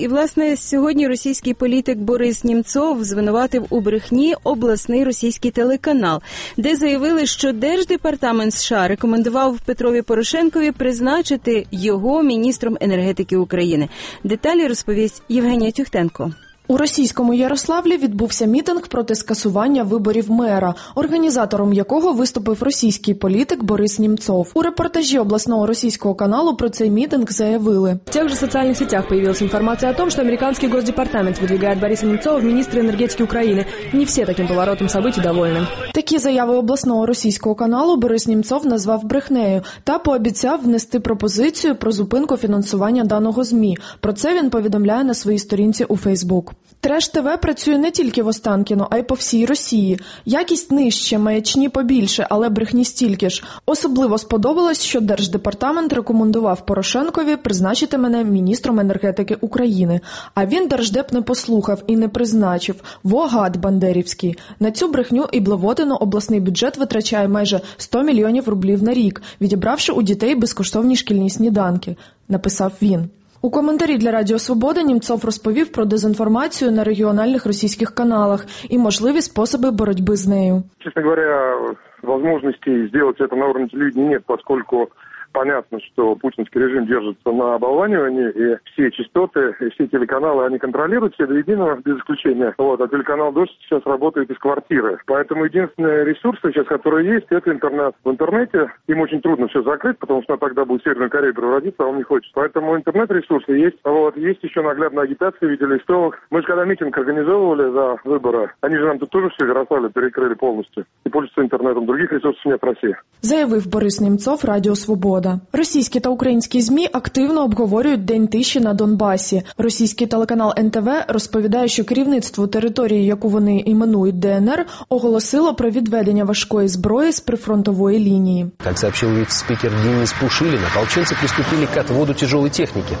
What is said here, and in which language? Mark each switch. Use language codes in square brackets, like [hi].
[uk] І, власне, сьогодні російський політик Борис Німцов звинуватив у брехні обласний російський телеканал, де заявили, що Держдепартамент США рекомендував Петрові Порошенкові призначити його міністром енергетики України. Деталі розповість Євгенія Тюхтенко. У російському Ярославлі відбувся мітинг проти скасування виборів мера, організатором якого виступив російський політик Борис Німцов. У репортажі обласного російського каналу про цей мітинг заявили. В тих же [ru] соціальних сетях появилась інформація о том, что американский госдепартамент выдвигает Бориса Немцова в министры энергетики Украины. Не все таким поворотом событий довольны. [uk] Такі заяви обласного російського каналу Борис Німцов назвав брехнею та пообіцяв внести пропозицію про зупинку фінансування даного ЗМІ. Про це він повідомляє на своїй сторінці у Facebook. Треш ТВ працює не тільки в Останкіно, а й по всій Росії. Якість нижче, маячні побільше, але брехні стільки ж. Особливо сподобалось, що Держдепартамент рекомендував Порошенкові призначити мене міністром енергетики України. А він Держдеп не послухав і не призначив. Вогад бандерівський. На цю брехню і блевотину обласний бюджет витрачає майже 100 мільйонів рублів на рік, відібравши у дітей безкоштовні шкільні сніданки, написав він. У коментарі для Радіо Свобода Німцов розповів про дезінформацію на регіональних російських каналах і можливі способи боротьби з нею. Чесно говоря, можливості зробити це на уровні людей немає, оскільки [ru] понятно, что путинский режим держится на оболванивании, и все частоты, и все телеканалы, они контролируют все до единого, без исключения. Вот, а телеканал «Дождь» сейчас работает из квартиры. Поэтому единственные ресурсы сейчас, которые есть, это интернет. В интернете им очень трудно все закрыть, потому что тогда будет Северная Корея превратиться, а он не хочет. Поэтому интернет-ресурсы есть. Вот, есть еще наглядная агитация в виде листовок. Мы же когда митинг организовывали за выборы, они же нам тут тоже все Ярославле перекрыли полностью. И пользуются интернетом. Других ресурсов нет в России. [uk] Заявив Борис Немцов, Радио Свобода. Російські та українські ЗМІ активно обговорюють День тиші на Донбасі. Російський телеканал НТВ розповідає, що керівництво території, яку вони іменують ДНР, оголосило про відведення важкої зброї з прифронтової лінії. [ru] Так сообщил спікер Денис Пушилин, ополченці приступили к отводу тяжелой техники.